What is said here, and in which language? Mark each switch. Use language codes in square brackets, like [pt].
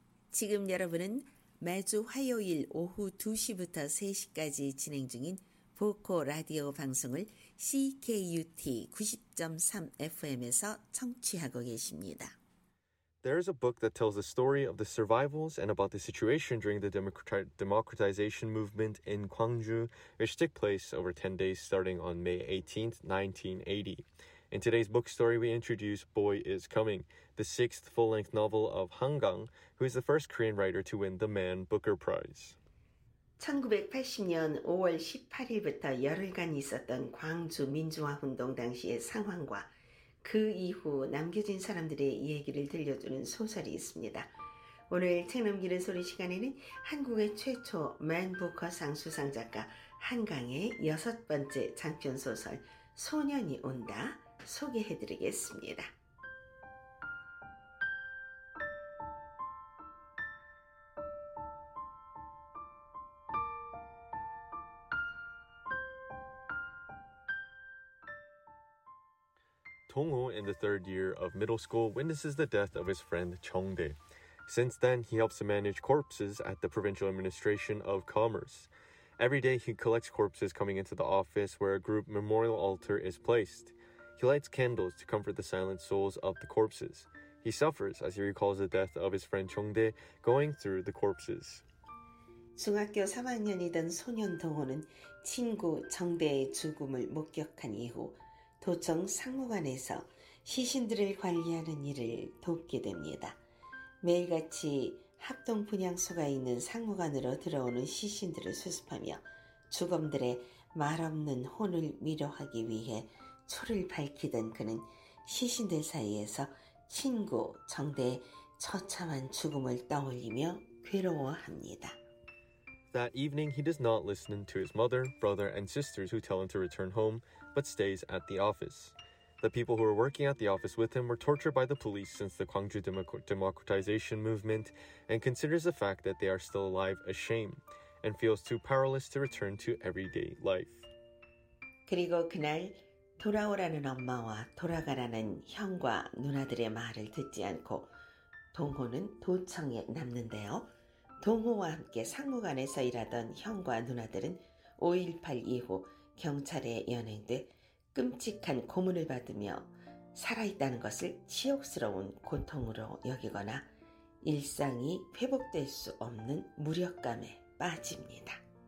[ko] 지금 여러분은 매주 화요일 오후 2시부터 3시까지 진행 중인 보코 라디오 방송을 CKUT 90.3 FM에서 청취하고 계십니다. [en] There is a book that tells the story of the survivals and about the situation during the democratization movement in Gwangju, which took place over 10 days starting on May 18, 1980. In today's book story, we introduce Boy is Coming, the sixth full-length novel of Han Gang, who is the first Korean writer to win the Man Booker Prize. [ko] 1980년 5월 18일부터 열흘간 있었던 광주 민주화운동 당시의 상황과 그 이후 남겨진 사람들의 이야기를 들려주는 소설이 있습니다. 오늘 책 넘기는 소리 시간에는 한국의 최초 맨부커상 수상 작가 한강의 여섯 번째 장편 소설 소년이 온다 소개해드리겠습니다. [en] Dong-ho, in the third year of middle school, witnesses the death of his friend Cheong-dae. Since then, he helps to manage corpses at the Provincial Administration of Commerce. Every day, he collects corpses coming into the office where a group memorial altar is placed. He lights candles to comfort the silent souls of the corpses. He suffers as he recalls the death of his friend Cheong-dae going through the corpses. [ko] 중학교 3학년이던 소년 동호는 친구 정대의 죽음을 목격한 이후 도청 상무관에서 시신들을 관리하는 일을 돕게 됩니다. 매일같이 합동 분향소가 있는 상무관으로 들어오는 시신들을 수습하며 죽음들의 말없는 혼을 위로하기 위해 초를 밝히던 그는 시신들 사이에서 친구 정대의 처참한 죽음을 떠올리며 괴로워합니다. [en] That evening, he does not listen to his mother, brother, and sisters who tell him to return home, but stays at the office. The people who were working at the office with him were tortured by the police since the Gwangju democratization movement and considers the fact that they are still alive a shame and feels too powerless to return to everyday life. [ko] 그리고 그날 돌아오라는 엄마와 돌아가라는 형과 누나들의 말을 듣지 않고 동호는 도청에 남는데요. 동호와 함께 상무관에서 일하던 형과 누나들은 5.18 이후 경찰에 연행돼 끔찍한 고문을 받으며 살아있다는 것을 치욕스러운 고통으로 여기거나 일상이 회복될 수 없는 무력감에 빠집니다.